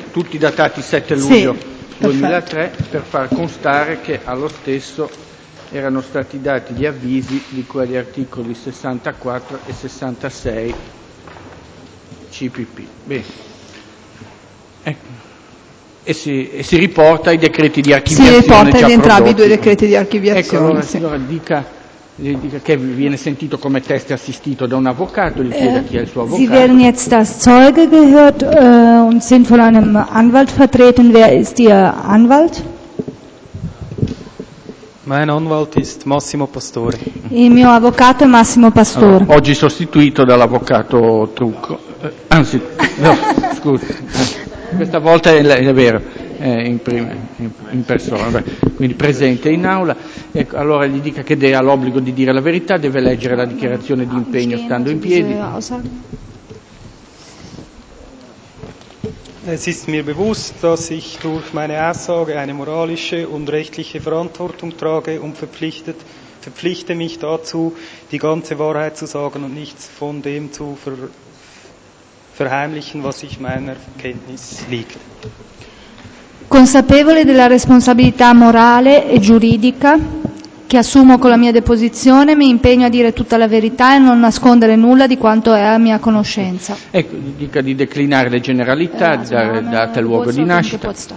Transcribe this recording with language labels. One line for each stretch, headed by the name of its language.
Italian: Tutti datati 7 luglio 2003, per far constare che allo stesso erano stati dati gli avvisi di quegli articoli 64 e 66 CPP. Bene. E si riporta ai decreti di archiviazione. Si riporta già ad entrambi i due decreti di archiviazione. Ecco, allora, sì. Signora, dica che viene sentito come test assistito da un avvocato, gli chiede chi è il suo avvocato.
German: Sie werden jetzt als Zeuge gehört und sind von einem Anwalt vertreten. Wer ist Ihr Anwalt? Mein Anwalt ist Massimo Pastore.
Italian: Il mio avvocato è Massimo Pastore. Allora, oggi sostituito dall'avvocato Trucco. Anzi, no, scusi. Questa volta è vero, in persona, beh, quindi presente in aula. Ecco, allora gli dica che ha l'obbligo di dire la verità, deve leggere la dichiarazione di impegno stando in piedi.
German: Es ist mir bewusst, dass ich durch meine Aussage eine moralische und rechtliche Verantwortung trage und verpflichte mich dazu, die ganze Wahrheit zu sagen und nichts von dem zu verheimlichen, was ich meiner Kenntnis liegt.
Italian: Consapevole della responsabilità morale e giuridica che assumo con la mia deposizione, mi impegno a dire tutta la verità e non nascondere nulla di quanto è a mia conoscenza. Ecco, dica di declinare le generalità, dare data e luogo di nascita.